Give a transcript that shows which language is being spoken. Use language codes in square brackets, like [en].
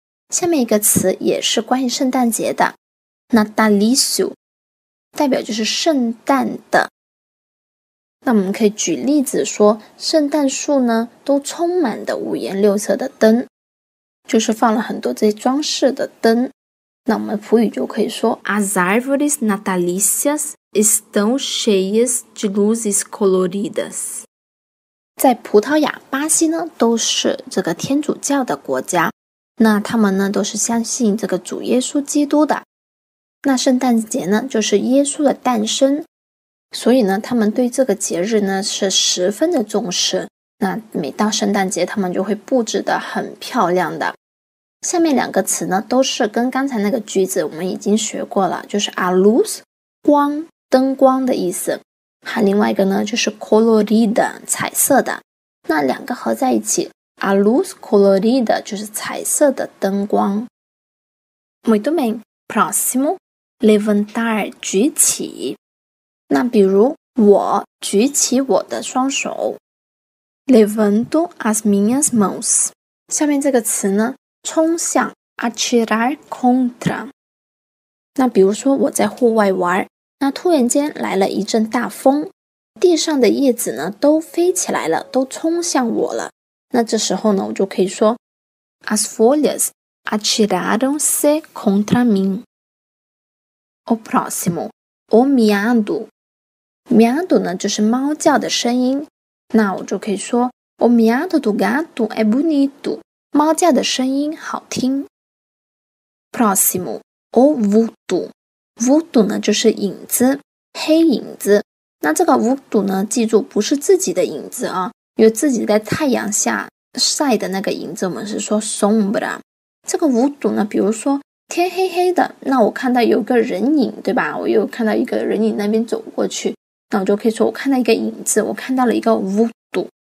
[zh] 下面一个词也是关于圣诞节的 Natalício， 代表就是圣诞的。那我们可以举例子说圣诞树呢都充满的五颜六色的灯，就是放了很多这些装饰的灯。那我们普语就可以说 [pt] As árvores natalícias estão cheias de luzes coloridas。 [zh] 在葡萄牙，巴西呢都是这个天主教的国家，那他们呢都是相信这个主耶稣基督的。那圣诞节呢就是耶稣的诞生，所以呢他们对这个节日呢是十分的重视。那每到圣诞节他们就会布置的很漂亮的。下面两个词呢都是跟刚才那个句子我们已经学过了，就是 a luz 光，灯光的意思。还另外一个呢就是 colorida 彩色的，那两个合在一起 a luz colorida 就是彩色的灯光。 [pt] Muito bem, próximo levantar 举起。 [zh] 那比如我举起我的双手 [pt] levanto as minhas mãos。 [zh] 下面这个词呢冲向 atirar contra。那比如说我在户外玩，那突然间来了一阵大风，地上的叶子呢都飞起来了，都冲向我了。那这时候呢我就可以说 [pt] As folhas atiraram-se contra mim。 [zh] O próximo O miado Miado 呢就是猫叫的声音，那我就可以说 [pt] O miado do gato é bonito， [zh] 猫叫的声音好听。 Próximo O vulto Vulto 呢就是影子，黑影子。那这个 Vulto 呢记住不是自己的影子啊，因为自己在太阳下晒的那个影子我们是说 Sombra。这个 Vulto 呢比如说天黑黑的，那我看到有个人影，对吧，我又看到一个人影那边走过去，那我就可以说我看到一个影子，我看到了一个 Vulto。